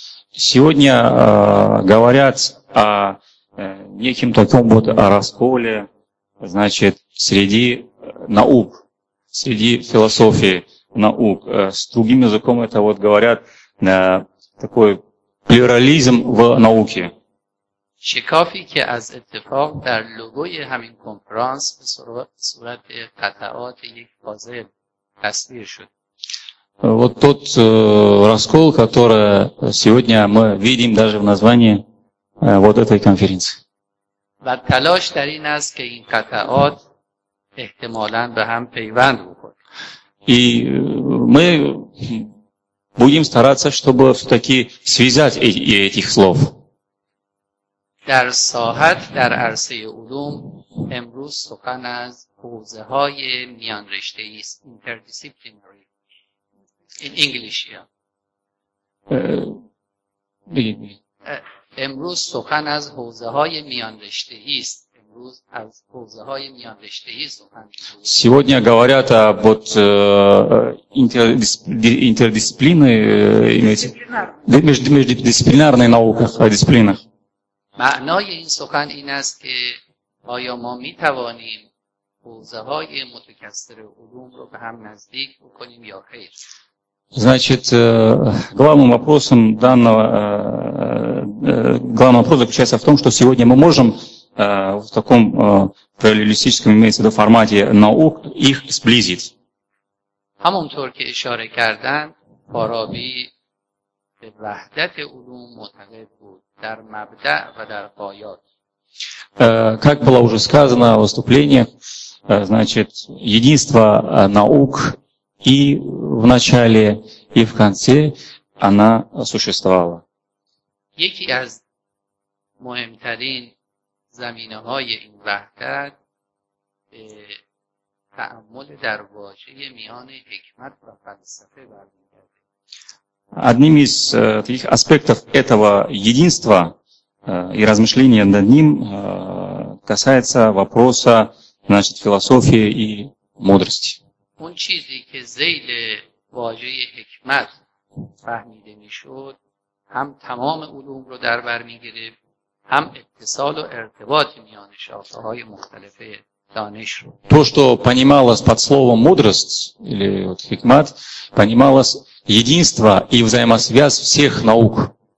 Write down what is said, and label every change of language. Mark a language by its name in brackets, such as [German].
[Russian] Сегодня говорят о неким таком вот расколе, значит, среди наук, среди философии наук. С другим языком это вот говорят такой плюрализм в науке. [Tajik] Шикафи, ки аз иттифак дар логои хамин конференс в сурат катаат ек пазел тасвир шуд. [Russian] Вот тот раскол, который сегодня мы видим даже в названии вот этой конференции. [Persian] و تلاش در این است که این قطعات احتمالاً به هم پیوند بخورد. [Russian] И мы будем стараться, чтобы все-таки связать этих слов. [Persian] در ساحت در عرصه علوم امروز سخن از حوزه‌های میان رشته‌ای است. [English] Interdisciplinary. In English, yeah. [Persian] امروز سخن از حوزه‌های میان رشته‌ای است. امروز از حوزه‌های میان رشته‌ای سخن. [Russian] Сегодня говорят об интердисциплинарной, междисциплинарной науках, о дисциплинах. [Persian] معنای این سخن این است که آیا ما می‌توانیم حوزه‌های متکثر علوم رو به هم نزدیک بکنیم یا خیر؟ [Russian] Значит, главным вопросом данного, главный вопрос заключается в том, что сегодня мы можем в таком параллелистическом, имеется в виду, формате наук их сблизить. [Persian] همونطور که اشاره کردند فارابی به وحدت علوم معتقد بود در مبدا و در غایات. [Russian] Как было уже сказано в выступлениях, значит, единство наук и в начале, и в конце она существовала. [Persian] یکی از مهمترین زمینه‌های این وحدت تأمل در واژه میان حکمت و فلسفه برمی‌گرده. [Russian] Одним из таких аспектов этого единства и размышления над ним касается вопроса, значит, философии и мудрости. [Persian] اون چیزی که ذیل واژه حکمت فهمیده می‌شد، هم تمام علوم رو در بر می‌گرفت، هم اتصال و ارتباط میان شاخه‌های مختلف [Russian] То, что понималось под словом «мудрость» или вот «хикмат», понималось единство и взаимосвязь всех наук.